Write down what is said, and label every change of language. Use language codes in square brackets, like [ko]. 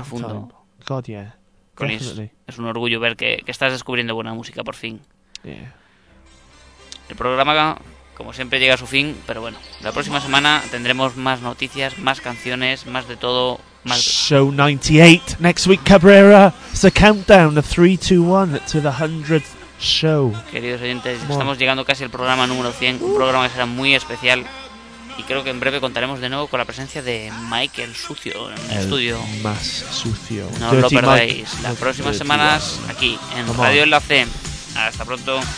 [es] profundo. [en] Time. God, yeah. [es] Es un orgullo ver que estás descubriendo buena música por fin. [en] Yeah. [es] El programa, como siempre, llega a su fin, pero bueno, la próxima semana tendremos más noticias, más canciones, más de todo. Más... [en] Show 98 next week, Cabrera. It's a countdown, a 3-2-1 to the 100th show. [es] Queridos oyentes, estamos llegando casi al programa número 100, un programa que será muy especial. Y creo que en breve contaremos de nuevo con la presencia de Mike el Sucio en el estudio. Más sucio. No os lo perdáis. Las próximas semanas aquí en Radio Enlace. Hasta pronto.